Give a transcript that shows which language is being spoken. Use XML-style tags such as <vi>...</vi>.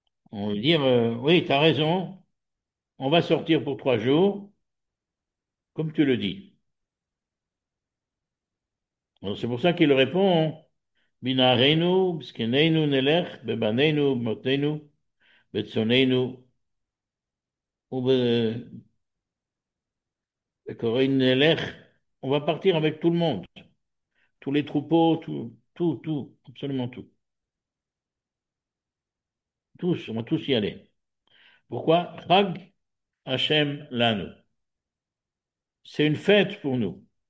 <fr>On lui dit, oui, tu as raison, on va sortir pour 3 jours, comme tu le dis. C'est pour ça qu'il répond,</fr> <he>מנערינו ובזקנינו נלך, בבנינו ובנותינו, בצוננו ובקוראינו נלך.</he> <fr>On va partir avec tout le monde, tous les troupeaux, tout, absolument tout. Tous, on va tous y aller. Pourquoi?</fr> <he>Chag Hashem Lanu.</he> <fr>C'est une fête pour nous.</fr>